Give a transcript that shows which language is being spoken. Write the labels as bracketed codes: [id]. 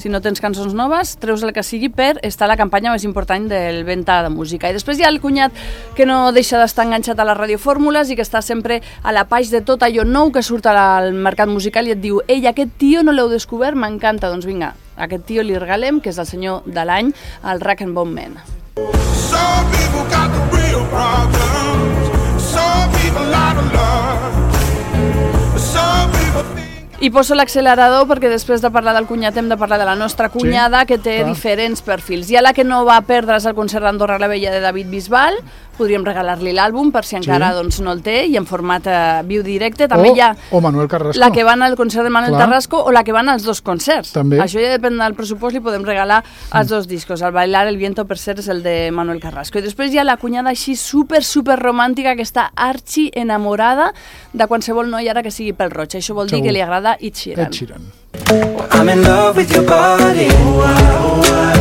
[ca] Si no tens cançons noves, treus el que sigui per estar a la campanya més important del venda de música. I després hi ha el cunyat que no deixa d'estar enganxat a les radiofórmules i que està sempre a la paix de tot allò nou que surt al mercat musical i et diu: ei, aquest tio no l'heu descobert, m'encanta. Doncs vinga, aquest tio li regalem, que és el senyor de l'any, el Rag & Bone Man. [en] Some people got the real problems. Some people out of love. Some people think. [ca] I poso l'accelerador perquè després de parlar del cunyat hem de parlar de la nostra cunyada, sí, que té diferents perfils. Hi ha la que no va perdre's al concert d'Andorra la Vella de David Bisbal, podríem regalar-li l'àlbum per si encara doncs, no el té i en format viu directe. També o, hi ha o Manuel Carrasco. La que va al concert de Manuel Carrasco o la que va als dos concerts. També. Això ja depèn del pressupost, li podem regalar els dos discos. El Bailar el Viento, per cert, és el de Manuel Carrasco. I després hi ha la cunyada així super, super romàntica, que està archi enamorada de qualsevol noi ara que sigui pel roig. Això vol dir que li agrada Ed Sheeran. [en] I'm in love with your body.